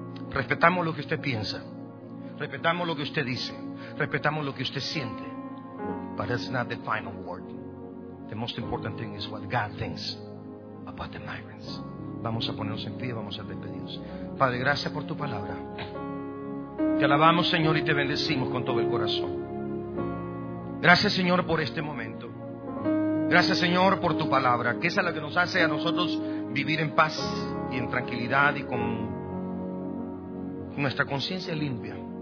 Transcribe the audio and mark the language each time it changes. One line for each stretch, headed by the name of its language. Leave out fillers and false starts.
Spanish: Respetamos lo que usted piensa, respetamos lo que usted dice, respetamos lo que usted siente.
English: But that's not the final word. The most important thing is what God thinks about the migrants.
Spanish: Vamos a ponernos en pie, vamos a despedirnos. Padre, gracias por tu palabra. Te alabamos, Señor, y te bendecimos con todo el corazón. Gracias, Señor, por este momento. Gracias, Señor, por tu palabra, que es la que nos hace a nosotros vivir en paz y en tranquilidad y con nuestra conciencia limpia.